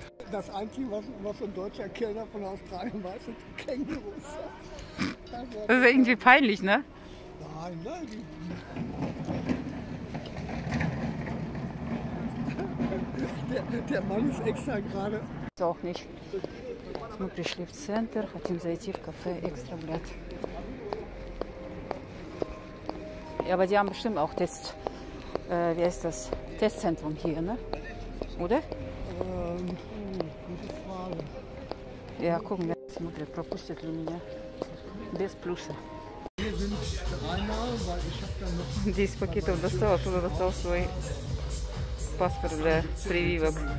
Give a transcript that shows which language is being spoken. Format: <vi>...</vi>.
<de>Das Einzige, was ein deutscher Kellner von Australien weiß, sind Kängurus. Das ist irgendwie peinlich, ne? Nein, nein. Der Mann ist extra gerade. Ist auch nicht.</de> <ru>Мы пришли в центр, хотим зайти в кафе «Экстраблат».</ru> <de>Aber die haben bestimmt auch Test, wie heißt das, Testzentrum hier, ne? Oder? Gute Frage. Ja, gucken wir.</de> <ru>Смотрят, пропустят ли меня. Без плюса.</ru> <de>Hier sind dreimal, weil ich hab da noch...</de> <ru>Здесь пакет он достал, оттуда достал свой паспорт для прививок.</ru>